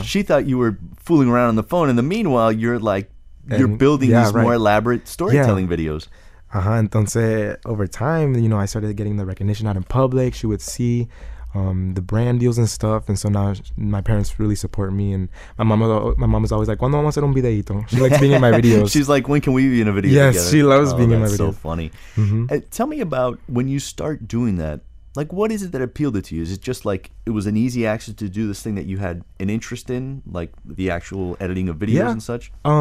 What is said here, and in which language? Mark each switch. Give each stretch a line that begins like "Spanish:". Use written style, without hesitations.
English: She thought you were fooling around on the phone. In the meanwhile, you're building these more elaborate storytelling videos. Uh-huh. Entonces, over time, you know, I started getting the recognition out in public. She would see the brand deals and stuff. And so now my parents really support me. And my mom is always like,
Spanish: ¿cuándo vamos a hacer un videito?
English: She likes being in my videos. She's like, when can we be in a video together? She loves being in my videos. That's so funny. Mm-hmm. Tell me about when you start doing that. Like, what is it that appealed it to you? Is it just like it was an easy access to do this thing that you had an interest in, like the actual editing of videos and such?